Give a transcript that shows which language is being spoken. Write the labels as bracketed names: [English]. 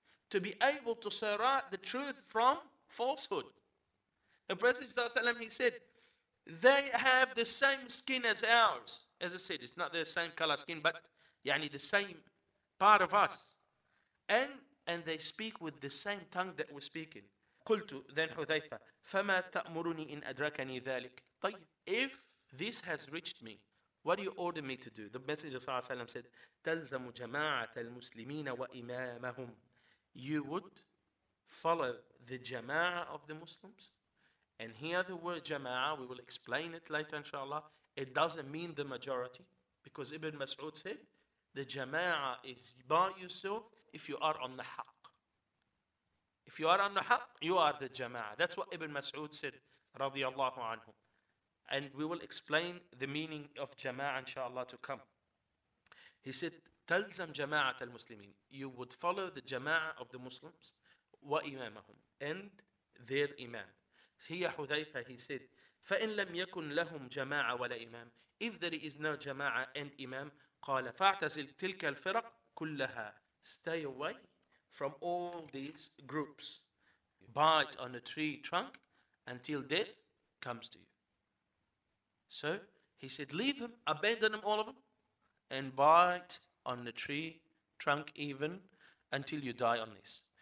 [English] To be able to separate the truth from falsehood. The Prophet ﷺ, he said, they have the same skin as ours. As I said, it's not the same color skin, but yani the same part of us. And they speak with the same tongue that we're speaking. [Arabic] قُلْتُ [English] then Hudhayfa, [Arabic] فَمَا تَأْمُرُنِي إِنْ أَدْرَكَنِي ذَلِكَ. [English] طيب, if this has reached me, what do you order me to do? The Messenger [Arabic] صلى الله عليه وسلم said, تَلْزَمُ جَمَاعَةَ الْمُسْلِمِينَ وَإِمَامَهُمْ. [English] You would follow the jama'ah of the Muslims. And here the word jama'ah, we will explain it later inshallah. It doesn't mean the majority. Because Ibn Mas'ud said, the jama'ah is by yourself if you are on the haqq. If you are on the haqq, you are the jama'ah. That's what Ibn Mas'ud said, radiallahu anhu. And we will explain the meaning of jama'ah, inshallah, to come. He said, [Arabic] تَلْزَمْ جَمَاعَةَ الْمُسْلِمِينَ. [English] You would follow the jama'ah of the Muslims, [Arabic] وَإِمَامَهُمْ, [English] and their imam. Here, Hudhayfa, he said, [Arabic] فَإِنْ لَمْ يَكُنْ لَهُمْ جَمَاعَةَ وَلَا إِمَامَ. [English] If there is no jama'ah and imam, [Arabic] قال فاعتزل تلك الفرق كلها. [English] Stay away from all these groups. Bite on a tree trunk until death comes to you. So he said, leave them, abandon them, all of them, and bite on the tree trunk even until you die on this.